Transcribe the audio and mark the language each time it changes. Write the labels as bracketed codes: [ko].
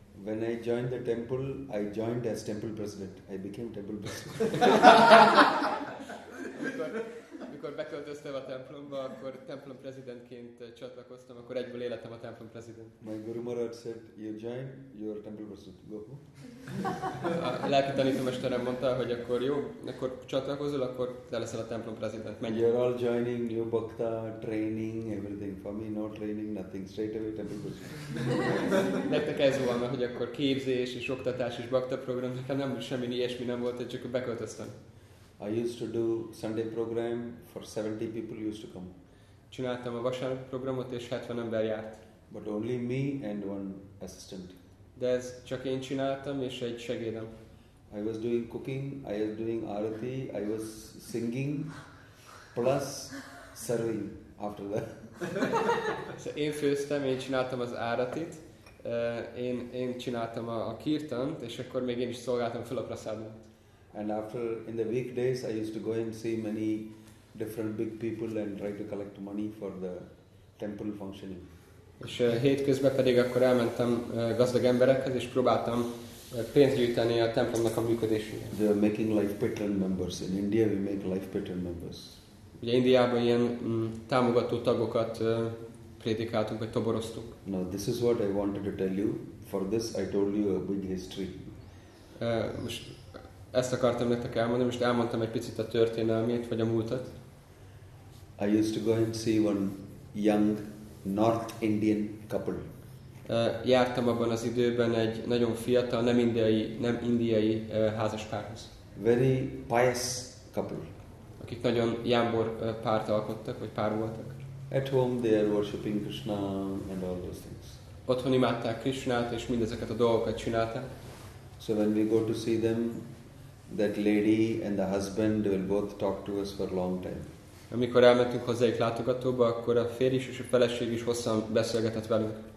[en] When I joined the temple, I joined as temple president. I became temple president. [hu] Amikor beköltöztem a templomba, akkor templom prezidentként csatlakoztam, akkor egyből életem a templom prezident. [en] My Guru Maharaj said, you join, you are temple president. Go home. [hu] A lelki tanítomesterem mondta, hogy akkor jó, akkor csatlakozol, akkor te leszel a templom prezident. [en] You are all joining, new bhakta, training, everything. For me, no training, nothing. Straight away, temple president. [hu] Nektek ez volna, hogy akkor képzés és oktatás és bhakta program, nekem nem semmi ilyesmi nem volt, csak beköltöztem. [en] I used to do Sunday program for 70 people used to come. [hu] Csináltam a vasárnapi programot és 70 ember járt. [en] But only me and one assistant. [hu] De ez csak én csináltam és egy segédem. [en] I was doing cooking, I was doing arati, I was singing plus serving after that. [hu] Szóval én főztem, én csináltam az áratit, én csináltam a kirtant és akkor még én is szolgáltam fel a prasadot. [en] And after, in the weekdays, I used to go and see many different big people and try to collect money for the temple functioning. [hu] És hétközben pedig akkor elmentem gazdag emberekhez, és próbáltam pénzt gyűjteni a templomnak a működésére. [en] They are making life patron members. In India we make life patron members. [hu] Ugye Indiában ilyen támogató tagokat prédikáltunk, vagy toboroztuk. [en] Now this is what I wanted to tell you. For this I told you a big history. [hu] Ezt akartam nektek elmondani, most elmondtam egy picit a történelmét, vagy a múltat. [en] I used to go and see one young North Indian couple. [hu] Jártam abban az időben egy nagyon fiatal, nem indiai házaspárhoz. [en] Very pious couple. [hu] Akik nagyon jámbor párt alkottak, vagy pár voltak. [en] At home they are worshipping Krishna and all those things. [hu] Otthon imádták Krishnát, és mindezeket a dolgokat csinálták. [en] So when we go to see them, that lady and the husband will both talk to us for a long time. [hu] Amikor elmentünk hozzájuk látogatóba, akkor a férj is és a feleség is hosszan beszélgetett velük.